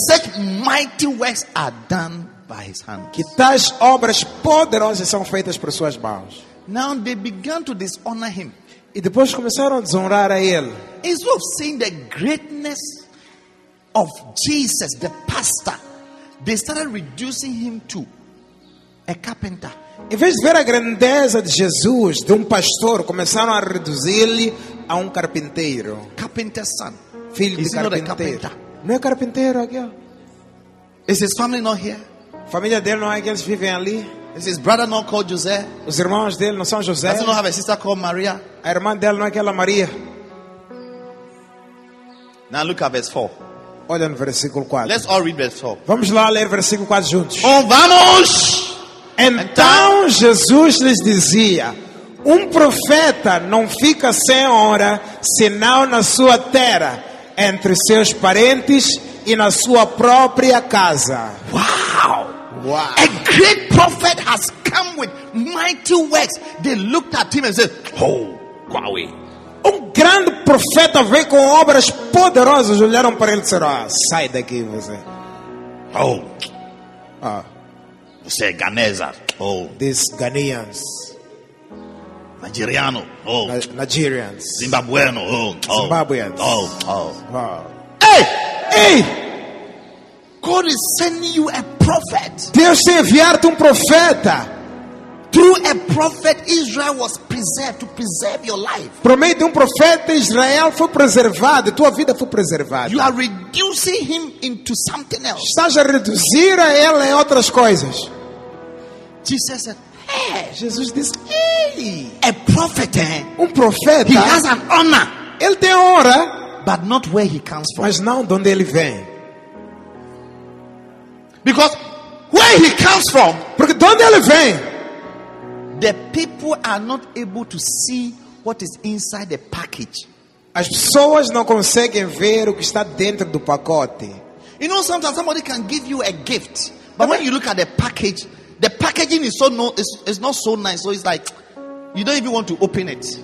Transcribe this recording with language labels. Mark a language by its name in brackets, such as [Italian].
[English] That such mighty works are done by his hands. [Portuguese] Que tais obras poderosas são feitas por suas mãos. [English] Now they began to dishonor him. [Portuguese] E depois começaram a desonrar a ele. [English] Instead of seeing the greatness of Jesus, the pastor, they started reducing him to a carpenter. [Portuguese] Em vez de ver a grandeza de Jesus, de pastor, começaram a reduzi-lo a carpinteiro. [English] Carpenter's son. [Portuguese] Filho [English] is [Portuguese] de carpinteiro. Não é carpinteiro aqui. [English] Is his family not here? [Portuguese] Família dele não é aqueles que vivem ali. [English] Is his brother not called José? [Portuguese] Os irmãos dele não são José. [English] Does he not have a sister called Maria? [Portuguese] A irmã dele não é aquela Maria. [English] Now look at verse 4. [Portuguese] Olha no versículo 4. [English] Let's all read verse 4. [Portuguese] Vamos lá ler versículo 4 juntos. Oh, vamos! Então Jesus lhes dizia: profeta não fica sem honra senão na sua terra, entre seus parentes e na sua própria casa. Wow! Wow! [English] A great prophet has come with mighty works. They looked at him and said, oh, [Portuguese] qual é? Grande profeta veio com obras poderosas. Olharam para ele e disseram: ah, sai daqui você. Oh. Ah. Você é ganesa. Oh. [English] This Ghanaians. [Portuguese] Nigeriano. Oh. [English] Nigerians. [Portuguese] Zimbabueno. Oh. [English] Zimbabueans. Oh. Oh. Ah. Ei! God is sending you a prophet. [Portuguese] Deus tem enviado profeta. [English] Through a prophet, Israel was preserved, to preserve your life. [Portuguese] Por meio de profeta, Israel foi preservado, tua vida foi preservada. [English] You are reducing him into something else. [Portuguese] Estás a reduzir a ele em outras coisas. [English] Jesus said, [Portuguese] Jesus disse, hey, [English] a prophet, [Portuguese] profeta, [English] he has an honor. [Portuguese] Ele tem honra, [English] but not where he comes from. [Portuguese] Mas não onde ele vem. [English] Because where he comes from, [Portuguese] porque onde ele vem, [English] the people are not able to see what is inside the package. [Portuguese] As pessoas não conseguem ver o que está dentro do pacote. [English] You know, sometimes somebody can give you a gift, but when you look at the package, the packaging is so no, it's not so nice. So it's like you don't even want to open it.